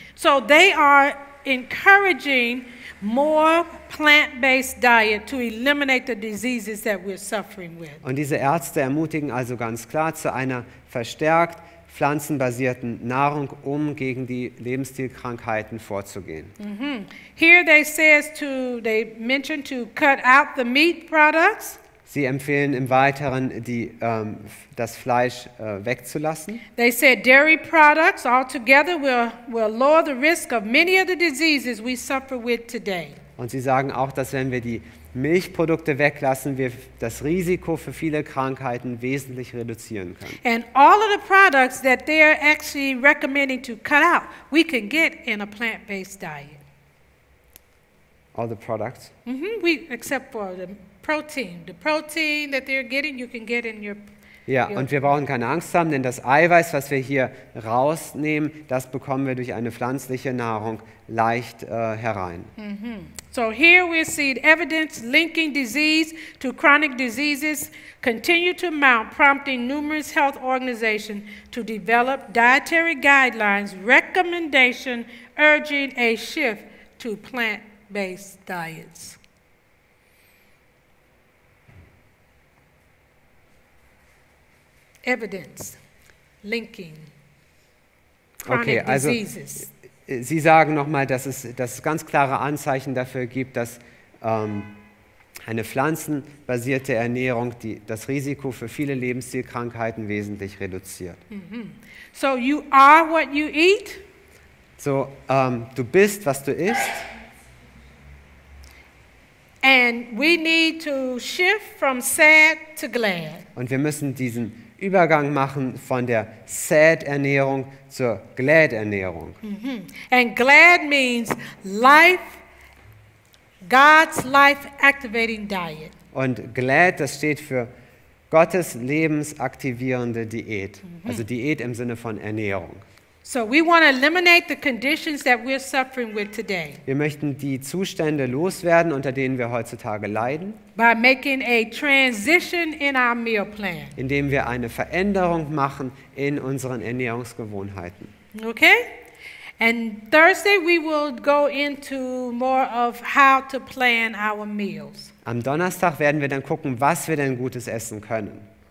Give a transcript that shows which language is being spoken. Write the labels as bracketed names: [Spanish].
[English] So they are encouraging more plant-based diet to eliminate the diseases that we're suffering with. [German] Und diese Ärzte ermutigen also ganz klar zu einer verstärkt pflanzenbasierten Nahrung, um gegen die Lebensstilkrankheiten vorzugehen. Mm-hmm. [English] Here they says to they mention to cut out the meat products. [German] Sie empfehlen im Weiteren, das Fleisch wegzulassen. [English] They said dairy products altogether will lower the risk of many of the diseases we suffer with today. [German] Und sie sagen auch, dass wenn wir die Milchprodukte weglassen, wir das Risiko für viele Krankheiten wesentlich reduzieren können. [English] And all of the products that they're actually recommending to cut out, we can get in a plant-based diet. All the products? Mm-hmm, we, except for the protein. The protein that they're getting, you can get in your... [German] Ja, und wir brauchen keine Angst haben, denn das Eiweiß, was wir hier rausnehmen, das bekommen wir durch eine pflanzliche Nahrung leicht herein. [English] Mm-hmm. So here we see evidence linking disease to chronic diseases continue to mount, prompting numerous health organizations to develop dietary guidelines, recommendation urging a shift to plant-based diets. Evidence linking chronic diseases. [German] Okay, also Sie sagen nochmal, dass es ganz klare Anzeichen dafür gibt, dass eine pflanzenbasierte Ernährung das Risiko für viele Lebensstilkrankheiten wesentlich reduziert. [English] Mm-hmm. So you are what you eat. [German] So du bist, was du isst. [English] And we need to shift from sad to glad. [German] Und wir müssen diesen Übergang machen von der sad Ernährung zur glad Ernährung. [English] Mm-hmm. And glad means life, God's life activating diet. [German] Und glad, das steht für Gottes lebensaktivierende Diät. Mm-hmm. Also Diät im Sinne von Ernährung. [English] So we want to eliminate the conditions that we're suffering with today. [German] Wir möchten die Zustände loswerden, unter denen wir heutzutage leiden. [English] By making a transition in our meal plan. [German] Indem wir eine Veränderung machen in unseren Ernährungsgewohnheiten. [English] Okay? And Thursday we will go into more of how to plan our meals. [German] Am Donnerstag werden wir dann gucken, was wir denn Gutes essen können.